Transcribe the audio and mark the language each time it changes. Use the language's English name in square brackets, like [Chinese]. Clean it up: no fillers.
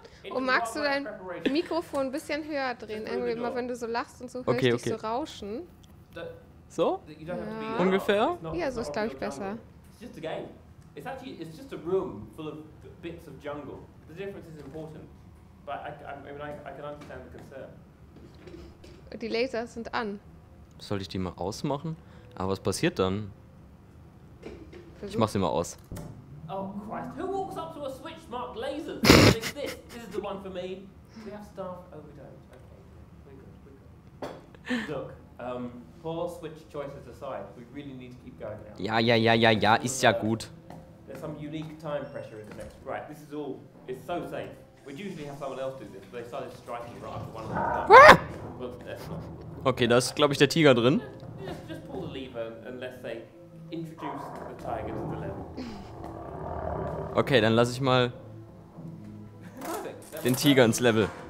[German] Oh, magst du dein Mikrofon ein bisschen höher drehen? Irgendwie immer, wenn du so lachst und so, hörst okay, dich okay. so rauschen. So? Ja. Ungefähr? Ja, so ist, glaube ich, besser. [English] It's just a game. It's actually, it's just a room full of bits of jungle. The difference is important. But I can understand the concern. [German] Die Laser sind an. Soll ich die mal ausmachen? Aber was passiert dann? Versuch. Ich mach sie mal aus. [English] Oh Christ, who walks up to a switch marked lasers? This is the one for me. We have staff overdose. Okay, we're good. Look, poor switch choices aside, we really need to keep going now. [German] Ja, ist ja gut. [English] There's some unique time pressure in the next. Right, this is all, it's so safe. We'd usually have someone else do this, but they started striking right after one of them. [German] Okay, da ist, glaube ich, der Tiger drin. [English] Just pull the lever and let's say, introduce the tiger to the level. [German] Okay, dann lasse ich mal den Tiger ins Level.